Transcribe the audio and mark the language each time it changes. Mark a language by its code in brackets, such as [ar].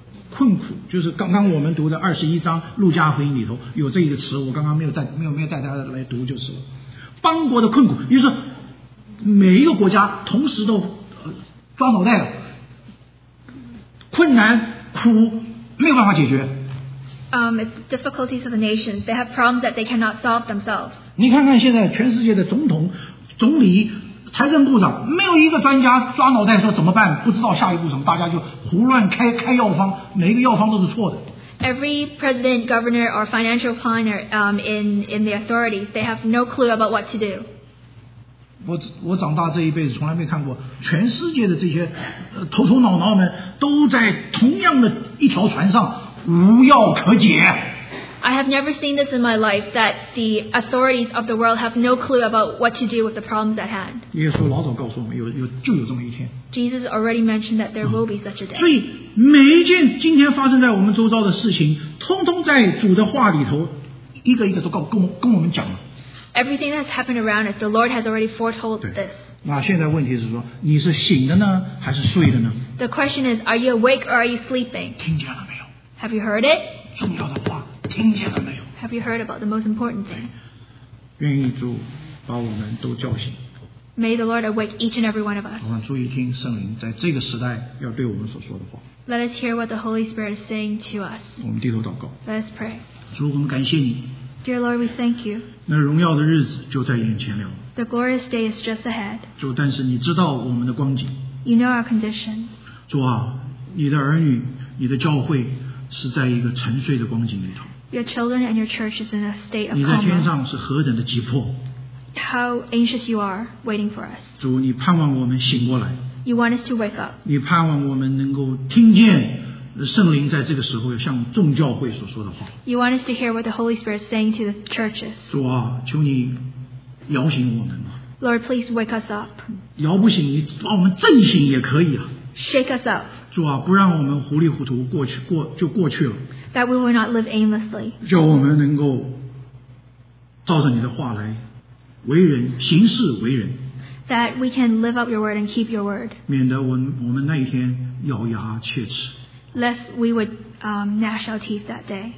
[zh] 困苦就是刚刚我们读的二十一章路加福音里头有这一个词，我刚刚没有带大家来读就是了。邦国的困苦，也就是每一个国家同时都。抓脑袋了，困难苦没有办法解决。 [en] It's difficulties of the nations. They have problems that they cannot solve themselves. [zh] 你看看现在全世界的总统、总理、财政部长，没有一个专家抓脑袋说怎么办，不知道下一步什么，大家就胡乱开药方，每一个药方都是错的。 [en] every president, governor, or financial planner in the authorities, they have no clue about what to do. [zh] 我长大这一辈子从来没看过全世界的这些头头脑脑们都在同样的一条船上无药可解。 [en] I have never seen this in my life, that the authorities of the world have no clue about what to do with the problems at hand. [zh] 耶稣老早告诉我们就有这么一天。 [en] Jesus already mentioned that there will be such a day. [zh] 所以每一件今天发生在我们周遭的事情通通在主的话里头一个一个都跟我们讲了。 [en] Everything that's happened around us, the Lord has already foretold this. [zh] 那现在问题是说你是醒的呢还是睡的呢 [en] The question is, are you awake or are you sleeping? [zh] 听见了没有 [en] Have you heard it? [zh] 重要的话听见了没有 [en] Have you heard about the most important thing? [zh] 愿意主把我们都叫醒 [en] May the Lord awake each and every one of us. [zh] 我们注意听圣灵在这个时代要对我们所说的话 [en] Let us hear what the Holy Spirit is saying to us. [zh] 我们低头祷告 [en] Let us pray. [zh] 主我们感谢你 [en] Dear Lord, we thank you. [zh] 那荣耀的日子就在眼前了。 [en] The glorious day is just ahead. [zh] 主，但是你知道我们的光景。 [en] You know our condition. [zh] 主啊，你的儿女，你的教会是在一个沉睡的光景里头。 [en] Your children and your church is in a state of [zh] coma. 你在天上是何等的急迫。 [en] How anxious you are waiting for us. [zh] 主，你盼望我们醒过来。 [en] You want us to wake up. [zh] 你盼望我们能够听见。圣灵在这个时候向众教会所说的话。 [en] You want us to hear what the Holy Spirit is saying to the churches. [zh] 主啊，求你摇醒我们吧。 [en] Lord, please wake us up. [zh] 摇不醒，你把我们震醒也可以啊。 [en] Shake us up. [zh] 主啊，不让我们糊里糊涂过去了。 [en] That we will not live aimlessly. [zh] 叫我们能够照着你的话来为人行事为人。 [en] That we can live up your word and keep your word. [zh] 免得我们那一天咬牙切齿。 [en] Lest we would gnash our teeth that day.